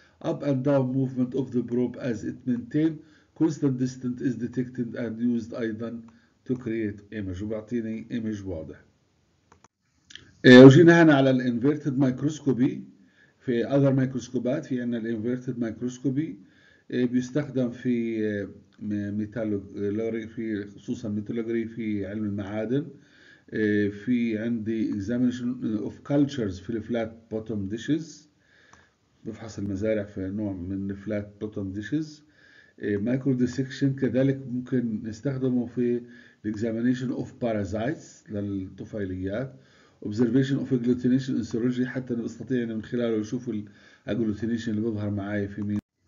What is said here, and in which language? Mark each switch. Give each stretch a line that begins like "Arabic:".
English: up and down movement of the probe as it maintain constant distance is detected and used أيضا to create image، وبعطيني image واضح.
Arabic: وجينا هنا على الانفيرتد مايكروسكوبي. في
English: other microscopes
Arabic: في عنا الانفيرتد مايكروسكوبي، بيستخدم في ميتالوجرافي خصوصا ميتالوجرافي علم المعادن. في عندي
English: examination of cultures
Arabic: في
English: flat bottom dishes،
Arabic: بفحص المزارع في نوع من flat bottom dishes.
English: micro dissection
Arabic: كذلك ممكن نستخدمه في
English: examination of parasites
Arabic: للطفيليات.
English: observation of agglutination in serology،
Arabic: حتى انا بستطيع ان من خلاله اشوف الاجلوتينيشن اللي بظهر معي في مين.